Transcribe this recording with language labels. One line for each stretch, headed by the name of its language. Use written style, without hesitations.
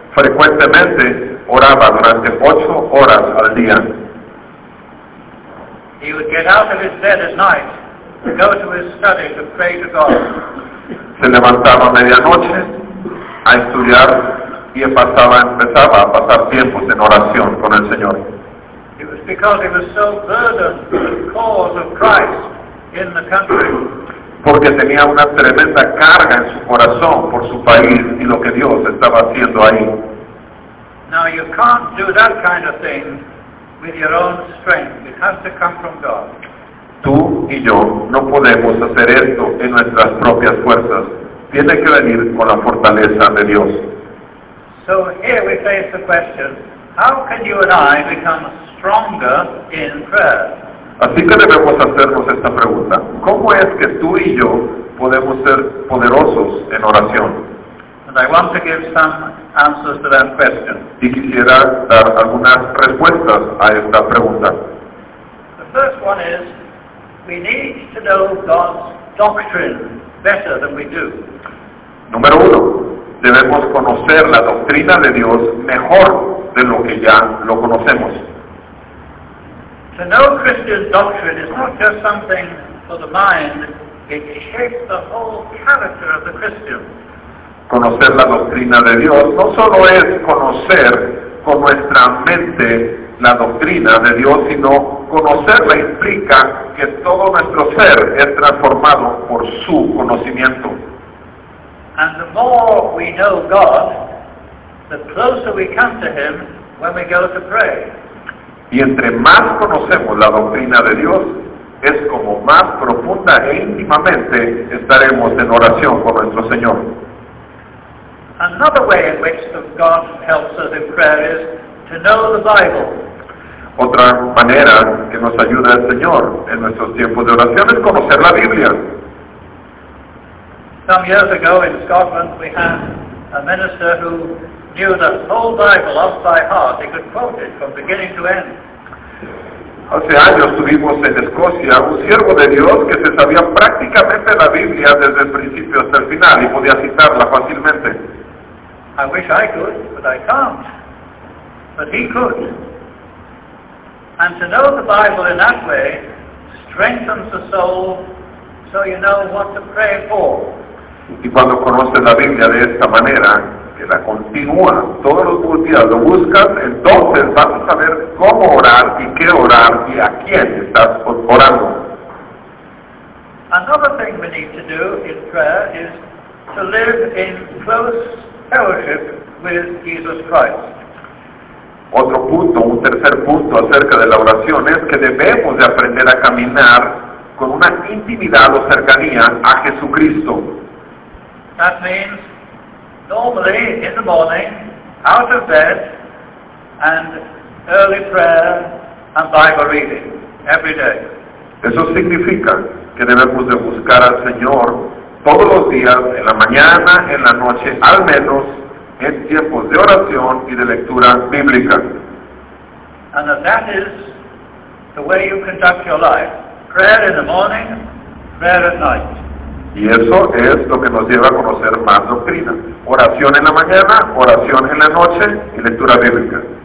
Spanish: Frecuentemente oraba durante 8 horas al día.
English: He would get out of his bed at night, go to his study to pray to God.
Spanish: Se levantaba a medianoche a estudiar y empezaba a pasar tiempos en oración con el Señor.
English: It was because he was so burdened with the cause of Christ in the country.
Spanish: Porque tenía una tremenda carga en su corazón por su país y lo que Dios estaba haciendo ahí.
English: Now you can't do that kind of thing with your own strength. It has to come from God.
Spanish: Tú y yo no podemos hacer esto en nuestras propias fuerzas. Tiene que venir con la fortaleza de Dios.
English: So here we face the question, how can you and I become stronger in prayer?
Spanish: Así que debemos hacernos esta pregunta. ¿Cómo es que tú y yo podemos ser poderosos en oración?
English: And I want to give some answers to that question.
Spanish: Y quisiera dar algunas respuestas a esta pregunta.
English: The first one is, we need to know God's doctrine better than we do.
Spanish: Número uno, debemos conocer la doctrina de Dios mejor de lo que ya lo conocemos.
English: To know Christian doctrine is not just something for the mind, it shapes the whole character of the Christian.
Spanish: Conocer la doctrina de Dios no solo es conocer con nuestra mente la doctrina de Dios, sino conocerla implica que todo nuestro ser es transformado por su conocimiento.
English: And the more we know God, the closer we come to Him when we go to pray.
Spanish: Y entre más conocemos la doctrina de Dios, es como más profunda e íntimamente estaremos en oración con nuestro Señor.
English: Another way in which God helps us in prayer is to know the Bible.
Spanish: Otra manera que nos ayuda el Señor en nuestros tiempos de oración es conocer la Biblia.
English: Some years ago in Scotland we had a minister who knew the whole Bible off by heart. He could quote it from beginning to end.
Spanish: Hace años tuvimos en Escocia un siervo de Dios que se sabía prácticamente la Biblia desde el principio hasta el final y podía citarla fácilmente.
English: I wish I could, but I can't. But he could. And to know the Bible in that way strengthens the soul so you know what to pray for.
Spanish: Y cuando conoces la Biblia de esta manera, que la continúa todos los días, lo buscas, entonces vas a saber cómo orar y qué orar y a quién estás orando.
English: Another thing we need to do in prayer is to live in close fellowship with Jesus Christ.
Spanish: Otro punto, un tercer punto acerca de la oración es que debemos de aprender a caminar con una intimidad o cercanía a Jesucristo.
English: That means normally in the morning, out of bed, and early prayer and Bible reading every day.
Spanish: Eso significa que debemos de buscar al Señor todos los días, en la mañana, en la noche, al menos en tiempos de oración y de lectura bíblica.
English: And that is the way you conduct your life. Prayer in the morning, prayer at night.
Spanish: Y eso es lo que nos lleva a conocer más doctrina. Oración en la mañana, oración en la noche y lectura bíblica.